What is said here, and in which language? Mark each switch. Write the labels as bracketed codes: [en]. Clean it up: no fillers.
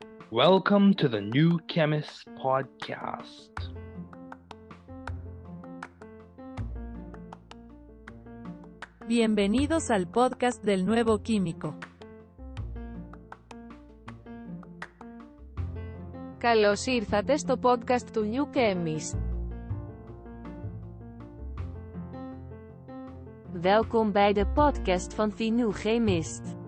[en] Welcome to the New Chemists Podcast. [es] Bienvenidos al podcast del nuevo químico. [el] Καλώς ήρθατε στο podcast του New Chemist. [nl] Welkom bij de podcast van The New Chemist.